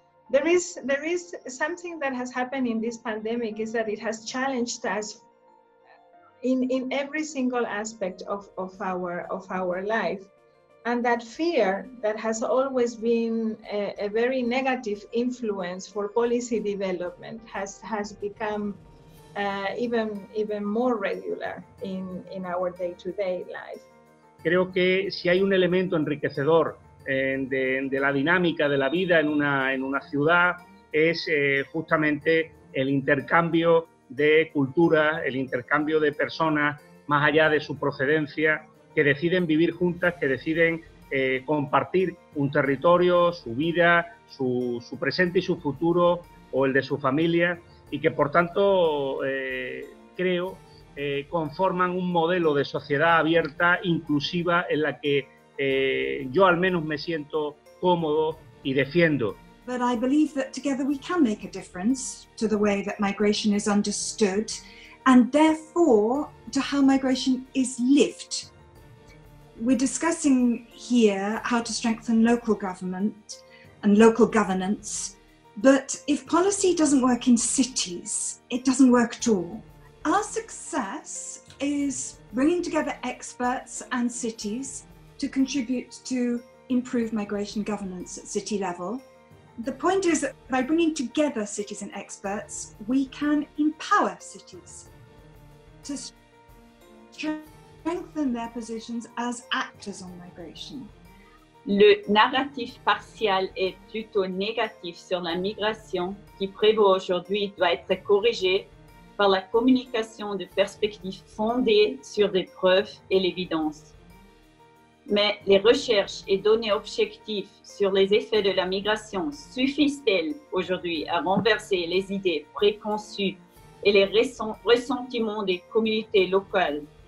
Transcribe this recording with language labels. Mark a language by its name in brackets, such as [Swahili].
[English] There is something that has happened in this pandemic is that it has challenged us in every single aspect of our life. And that fear that has always been a very negative influence for policy development has become even more regular in our day-to-day life. [Spanish] Creo que si hay un elemento enriquecedor de la dinámica de la vida en una ciudad es justamente el intercambio de cultura, el intercambio de personas más allá de su procedencia, que deciden vivir juntas, que deciden compartir un territorio, su vida, su presente y su futuro o el de su familia, y que por tanto creo conforman un modelo de sociedad abierta, inclusiva, en la que yo al menos me siento cómodo y defiendo. [English] But I believe that together we can make a difference to the way that migration is understood and therefore to how migration is lived. We're discussing here how to strengthen local government and local governance, but if policy doesn't work in cities, it doesn't work at all. Our success is bringing together experts and cities to contribute to improve migration governance at city level. The point is that by bringing together cities and experts, we can empower cities to strengthen their positions as actors on migration. [French] Le narratif partiel est plutôt négatif sur la migration qui prévaut aujourd'hui doit être corrigé par la communication de perspectives fondées sur des preuves et l'évidence. Mais les recherches et données objectives sur les effets de la migration suffisent-elles aujourd'hui à renverser les idées préconçues et les ressentiments des communautés locales?